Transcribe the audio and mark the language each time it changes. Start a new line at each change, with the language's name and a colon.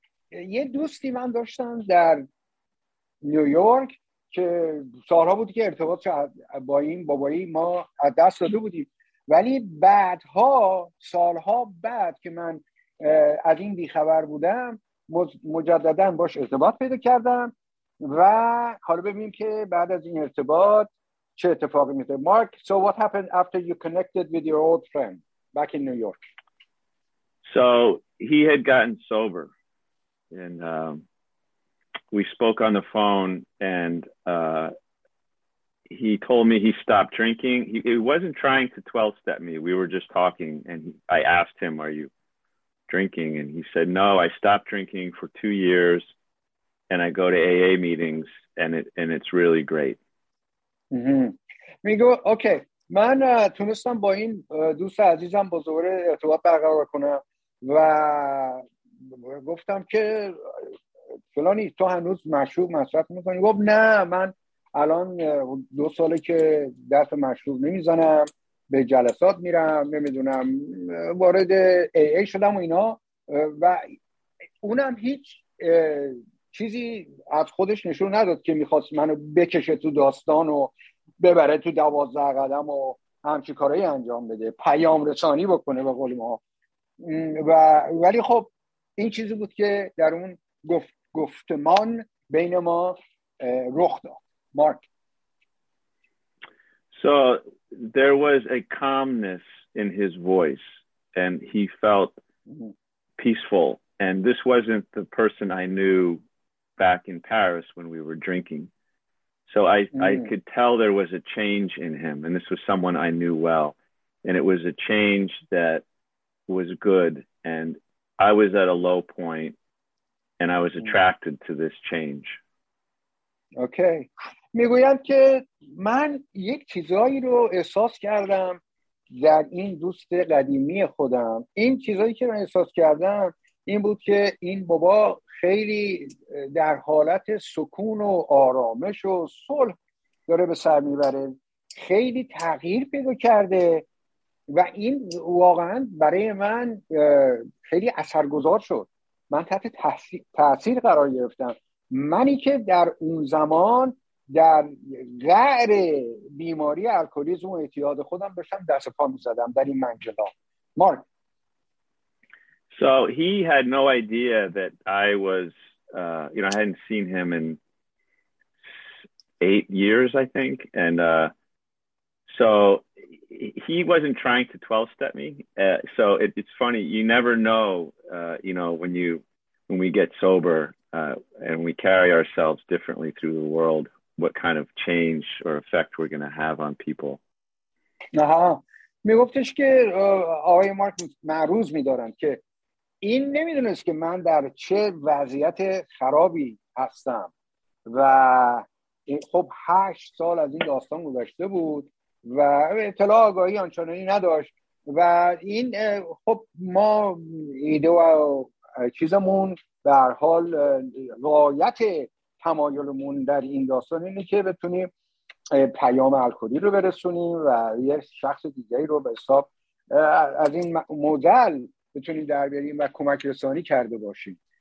Persian: یه دوستی من داشتم در نیویورک که سالها بود که ارتباط با این بابایی ما از دست داده بودیم، ولی بعدها سالها بعد که من از این بیخبر بودم مجدداً باش ارتباط پیدا کردم و حالا ببینیم که بعد از این ارتباط چه اتفاقی میفته.
English: Mark, so what happened after you connected with your old friend back in New York? So he had gotten sober and we spoke on the phone and he told me he stopped drinking. He wasn't trying to 12-step me. We were just talking and I asked him, are you drinking? And he said, no, I stopped drinking for 2 years and I go to AA meetings and it's really great.
Persian: میگو اوکی من تونستم با این دوست عزیزم بزرگ ارتباط برقرار کنم و گفتم که فلانی تو هنوز مشروب مصرف میکنی؟ گفت نه من الان 2 ساله که دست مشروب نمیزنم، به جلسات میرم، نمیدونم وارد AA شدم و اینا، و اونم هیچ چیزی از خودش نشون نداد که میخواست منو بکشه تو داستان و ببره تو 12 قدم و همچی کارهایی انجام بده، پیام رسانی بکنه به قول ما. و ولی خب این چیزی بود که در اون گفتمان بین ما رخ داد.
English: Mark. So there was a calmness in his voice and he felt peaceful. And this wasn't the person I knew back in Paris when we were drinking. So I could tell there was a change in him, and this was someone I knew well, and it was a change that was good. And I was at a low point, and I was attracted to this change. Okay.
Persian: میگویم که من یک چیزایی رو احساس کردم در این دوست قدیمی خودم. این چیزایی که من احساس کردم این بود که این بابا خیلی در حالت سکون و آرامش و صلح داره به سر میبره، خیلی تغییر پیدا کرده و این واقعا برای من خیلی اثرگذار شد. من تحت تاثیر قرار گرفتم. منی که در اون زمان در غر بیماری الکلیسم و اعتیاد خودم داشتم دست پا میزدم در این منجلا. مارک.
English: So he had no idea that I was, you know, I hadn't seen him in 8 years, I think. And so he wasn't trying to 12-step me. So it's funny, you never know, you know, when we get sober and we carry ourselves differently through the world, what kind of change or effect we're going to have on people. Uh-huh.
Persian: می گفتش که آقای مارک معروض می‌دارن که این نمیدونست که من در چه وضعیت خرابی هستم و خب 8 سال از این داستان گذشته بود و اطلاع آگاهی آنچنانی نداشت و این خب ما ایده و چیزمون به هر حال غایت تمایلمون در این داستان اینه که بتونیم پیام الکلی رو برسونیم و یه شخص دیگه رو به حساب از این مدل بتونید در بیاریم و کمک رسانی کرده باشید.